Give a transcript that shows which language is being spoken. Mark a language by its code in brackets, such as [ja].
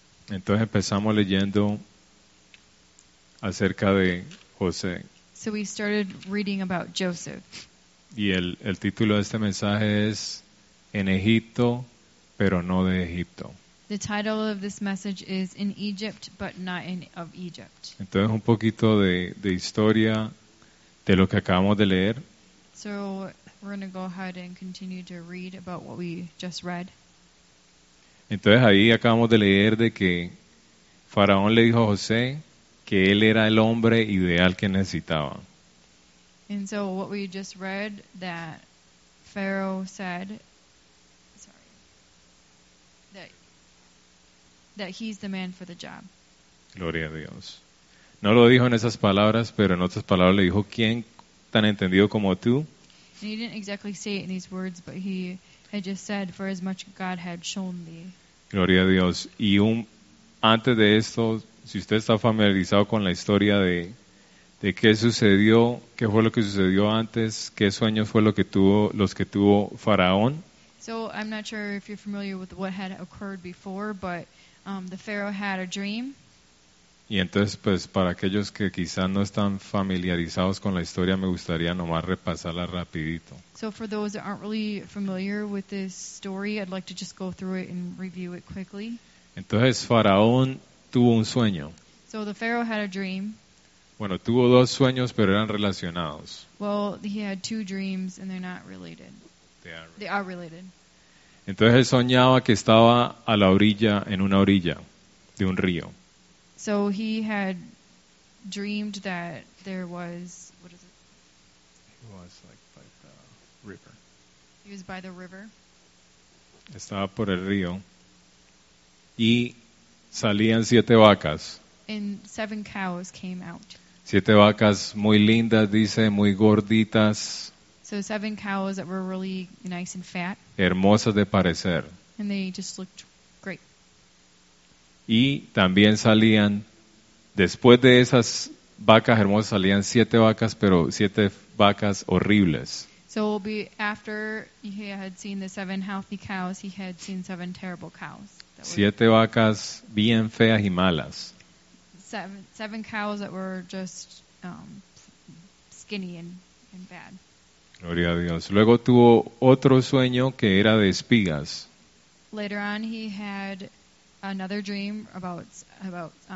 [es] Entonces empezamos leyendo acerca de José. [en] So we started reading about Joseph. [es] Y el título de este mensaje es En Egipto, pero no de Egipto. [en] The title of this message is In Egypt, but not in of Egypt. [es] Entonces un poquito de historia de lo que acabamos de leer. [en] So we're going to go ahead and continue to read about what we just read. [es] Entonces ahí acabamos de leer de que Faraón le dijo a José que él era el hombre ideal que necesitaba. [en] And so what we just read that Pharaoh said that he's the man for the job. [es] Gloria a Dios. No lo dijo en esas palabras, pero en otras palabras le dijo, ¿quién tan entendido como tú? [en] And he didn't exactly say it in these words, but he had just said for as much God had shown thee. [es] Gloria a Dios. Y antes de esto, si usted está familiarizado con la historia de qué sucedió, qué fue lo que sucedió antes, qué sueños fue los que tuvo Faraón. [en] So I'm not sure if you're familiar with what had occurred before, but the Pharaoh had a dream. [es] Y entonces, pues, para aquellos que quizás no están familiarizados con la historia, me gustaría nomás repasarla rapidito. [en] So for those that aren't really familiar with this story, I'd like to just go through it and review it quickly. [es] Entonces, Faraón tuvo un sueño. [en] So the Pharaoh had a dream. [es] Bueno, tuvo dos sueños, pero eran relacionados. [en] Well, he had two dreams, and they're not related. They are related. [es] Entonces él soñaba que estaba a la orilla, en una orilla de un río. [en] So he had dreamed that there was, what is it? He was like by the river. He was by the river. [es] Estaba por el río. Y salían siete vacas. [en] And seven cows came out. [es] Siete vacas muy lindas, dice, muy gorditas. [en] So seven cows that were really nice and fat. [es] Hermosas de parecer. [en] And they just looked great. [es] Y también salían, después de esas vacas hermosas, salían siete vacas, pero siete vacas horribles. [en] So after he had seen the seven healthy cows, he had seen seven terrible cows. [es] Siete vacas bien feas y malas. [en] Seven cows that were just skinny and bad. [es] Gloria a Dios. Luego tuvo otro sueño que era de espigas. [en] Later on he had another dream about espinas.